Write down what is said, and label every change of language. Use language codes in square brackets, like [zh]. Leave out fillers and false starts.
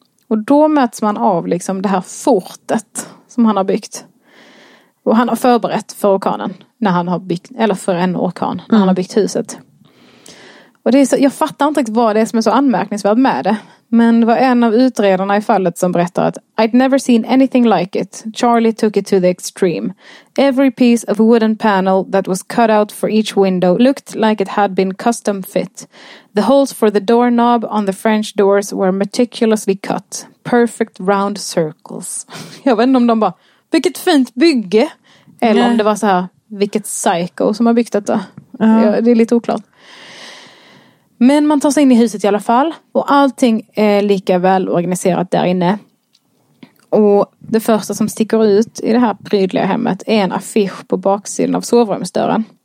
[sv] Och då möts man av liksom det här fortet som han har byggt. Och han har förberett för orkanen när han har byggt, eller för en orkan när han har byggt huset. Och det är så, jag fattar inte riktigt vad det är som är så anmärkningsvärt med det. Men det var en av utredarna i fallet som berättade att [en] I'd never seen anything like it. Charlie took it to the extreme. Every piece of wooden panel that was cut out for each window looked like it had been custom fit. The holes for the doorknob on the French doors were meticulously cut. Perfect round circles. [sv] Jag vet inte om de bara, vilket fint bygge. Eller om det var så här, vilket psycho som har byggt detta. Ja, det är lite oklart. Men man tar sig in i huset i alla fall. Och allting är lika väl organiserat där inne. Och det första som sticker ut i det här prydliga hemmet är en affisch på baksidan av sovrumsdörren.